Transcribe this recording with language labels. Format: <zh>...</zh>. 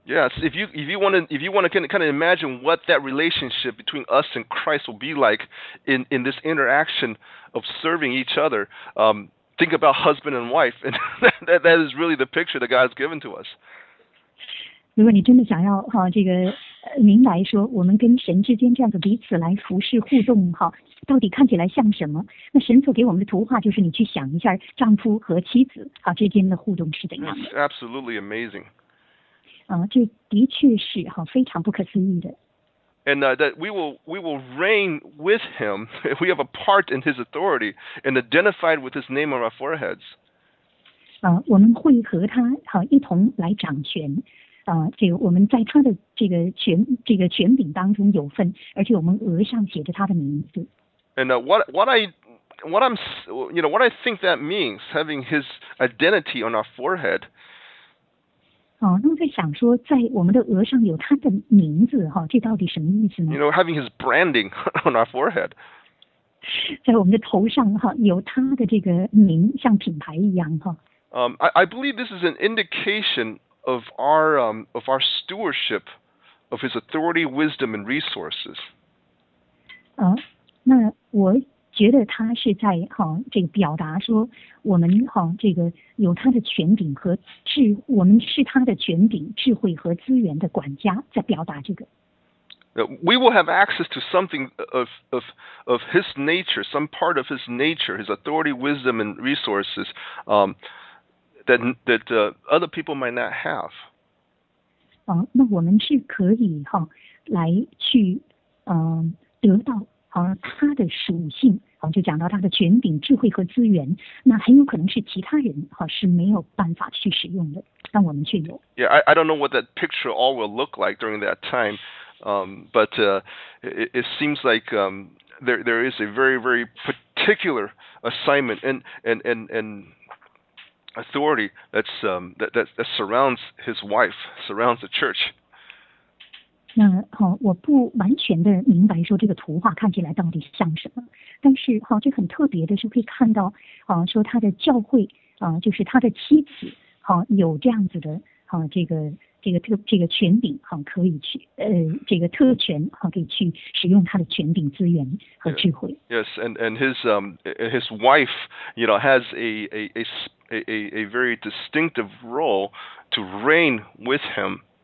<en>Yes, if you want to kind of imagine what that relationship between us and Christ will be like in this interaction of serving each other, think about husband and wife, and that is really the picture that God has given to us.</en> <zh>如果你真的想要明白说我们跟神之间这样的彼此来服侍互动到底看起来像什么？那神所给我们的图画就是你去想一下丈夫和妻子之间的互动是怎样的。</zh> <en>Absolutely amazing.</en> <zh>这的确是非常不可思议的。</zh> <en>And that we will reign with him. We have a part in his authority and identified with his name on our foreheads.</en> <zh>我们会和他一同来掌权。我们在他的这个权柄当中有份，而且我们额上写着他的名字。</zh> <en>And what I think that means, having his identity on our forehead.</en> <zh>那我在想说，在我们的额上有他的名字这到底什么意思呢？</zh> <en>You know, having his branding on our forehead.</en> <zh>在我们的头上有他的这个名，像品牌一样</zh> <en>I believe this is an indication of our stewardship of his authority, wisdom, and resources.</en> <zh>那我觉得他是在表达说我们有他的权柄和智，我们是他的权柄、智慧和资源的管家，在表达这个。</zh> <en>We will have access to something of his nature, some part of his nature, his authority, wisdom, and resources, that other people might not have.</en> <zh>那我们是可以来去得到。他的属性就讲到他的权柄、智慧和资源，那很有可能是其他人是没有办法去使用的，但我们却有。</zh> <en>Yeah, I don't know what that picture all will look like during that time, but it seems like there is a very very particular assignment and authority that surrounds his wife, surrounds the church.</en> <zh>那我不完全的明白说这个图画看起来到底像什么，但是这很特别的是可以看到说他的教会就是他的妻子有这样子的这个权柄可以去这个特权可以去使用他的权柄、资源和智慧。</zh> <en>Yes, and his wife, you know, has a very distinctive role to reign with him.</en>